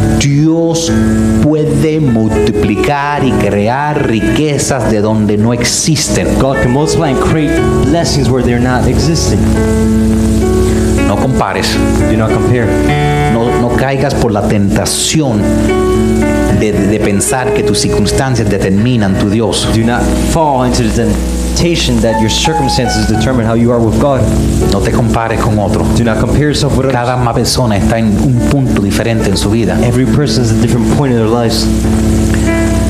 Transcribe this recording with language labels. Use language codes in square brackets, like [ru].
[es] Dios puede multiplicar y crear riquezas de donde no existen. [en] God can multiply and create blessings where they're not existing. [es] No compares. [en] Do not compare. [es] No caigas por la tentación de pensar que tus circunstancias determinan tu Dios. [en] Do not fall into the temptation that your circumstances determine how you are with God. [es] No te compares con otro. [en] Do not compare yourself with others. [es] Cada persona está en un punto diferente en su vida. [en] Every person is at a different point in their lives.